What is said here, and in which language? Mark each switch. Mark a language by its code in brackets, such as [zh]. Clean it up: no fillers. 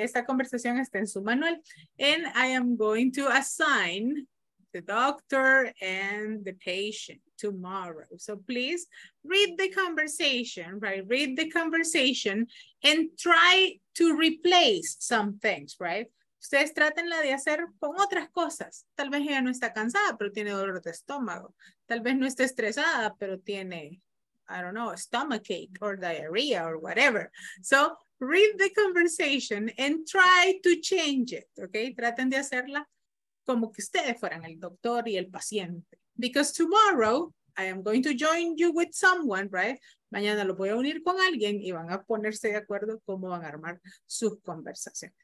[es] Esta conversación está en su manual. [en] And I am going to assign the doctor and the patient tomorrow. So please read the conversation, right? Read the conversation and try to replace some things, right? [es] Ustedes tratenla de hacer con otras cosas. Tal vez ella no está cansada, pero tiene dolor de estómago. Tal vez no está estresada, pero tiene, [en] I don't know, stomachache or diarrhea or whatever. So read the conversation and try to change it, okay? [es] Traten de hacerla como que ustedes fueran el doctor y el paciente. [en] Because tomorrow I am going to join you with someone, right? [es] Mañana lo voy a unir con alguien y van a ponerse de acuerdo cómo van a armar sus conversaciones.